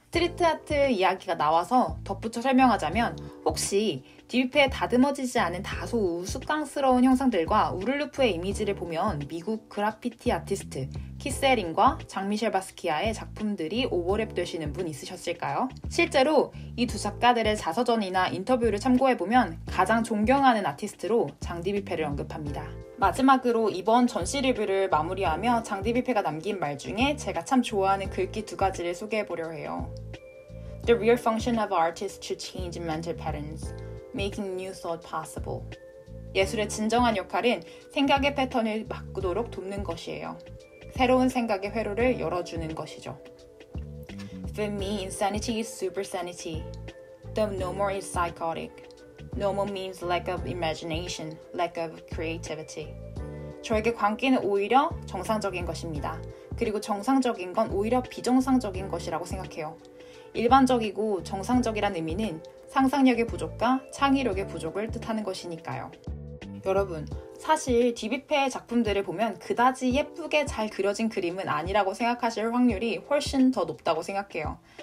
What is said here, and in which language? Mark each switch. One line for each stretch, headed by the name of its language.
Korean: 스트리트 아트 이야기가 나와서 덧붙여 설명하자면 혹시 디비페의 다듬어지지 않은 다소 우스꽝스러운 형상들과 우르르프의 이미지를 보면 미국 그래피티 아티스트 키세링과 장미셸 바스키아의 작품들이 오버랩되시는 분 있으셨을까요? 실제로 이 두 작가들의 자서전이나 인터뷰를 참고해보면 가장 존경하는 아티스트로 장 디비페를 언급합니다. 마지막으로 이번 전시 리뷰를 마무리하며 장 디비페가 남긴 말 중에 제가 참 좋아하는 글귀 두 가지를 소개해보려 해요.
English: The real function of artists to change mental patterns, making new thought possible.
Korean: 예술의 진정한 역할은 생각의 패턴을 바꾸도록 돕는 것이에요. 새로운 생각의 회로를 열어주는 것이죠.
English: For me, insanity is super sanity. The no more is psychotic. Normal means lack of imagination, lack of creativity.
Korean: 저에게 광기는 오히려 정상적인 것입니다. 그리고 정상적인 건 오히려 비정상적인 것이라고 생각해요. 일반적이고 정상적이란 의미는 상상력의 부족과 창의력의 부족을 뜻하는 것이니까요. 여러분, 사실 디비페의 작품들을 보면 그다지 예쁘게 잘 그려진 그림은 아니라고 생각하실 확률이 훨씬 더 높다고 생각해요.